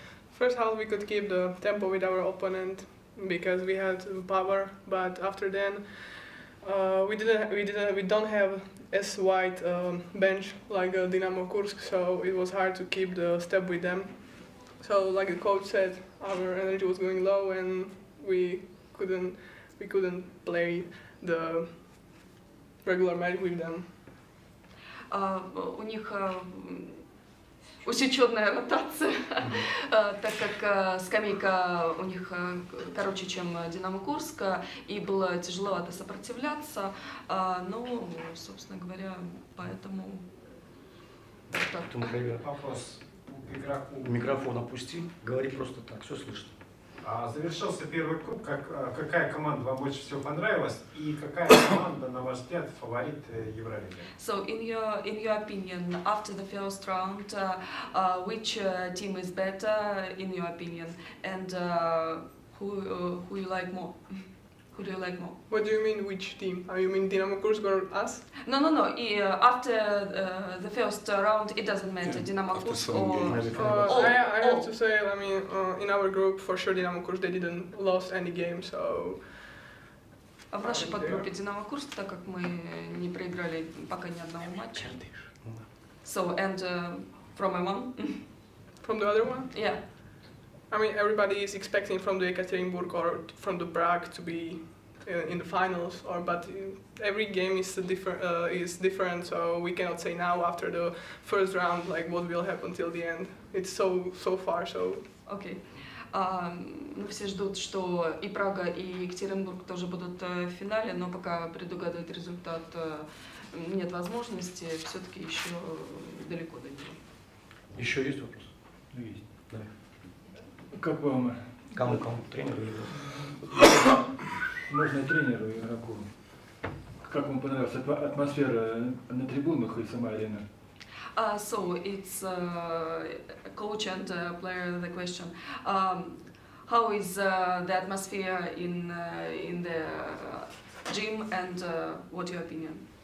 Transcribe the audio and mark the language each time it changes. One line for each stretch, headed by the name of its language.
English: First half we could keep the tempo with our opponent because we had power, but after then we don't have as wide bench like Dynamo Kursk, so it was hard to keep the step with them. So like the coach said, our energy was going low and we couldn't play the regular match with them.
Russian: У них усеченная ротация, так как скамейка у них короче, чем Динамо Курска, и было тяжеловато сопротивляться, но, собственно говоря, поэтому так. Вопрос игроку. Микрофон опусти, говори просто так, все слышно. А завершился первый круг, какая команда вам больше всего понравилась и какая команда, на ваш взгляд, фаворит Евролиги?
English: So in your opinion, after the first round, which team is better in your opinion, and who you like more? Who do you like more? What do you mean, which team? You mean Dynamo Kursk or us? No. After the first round, it doesn't matter. Yeah. Dynamo Kursk or... I have to say, in our group, for sure, Dynamo Kursk, they didn't lose any game, so...
Russian: А в нашей подгруппе Dynamo Kursk, так как мы не проиграли пока ни одного матча.
English: So, and from my mom? From the other one? Yeah. I mean, everybody is expecting from the Ekaterinburg or from the Prague to be in the finals, but every game is different, so we cannot say now after the first round like what will happen till the end. It's so far, so. Okay.
Russian: Ну, все ждут, что и Прага, и Екатеринбург тоже будут в финале, но пока предугадывать результат нет возможности, все-таки еще далеко до него. Еще есть вопрос? Есть. Да. Как вам? Кому? Тренеру? Можно тренеру, игроку. Как вам понравилась атмосфера на трибунах и сама арена?
English: So it's coach and player the question. How is the atmosphere in the gym and what your opinion?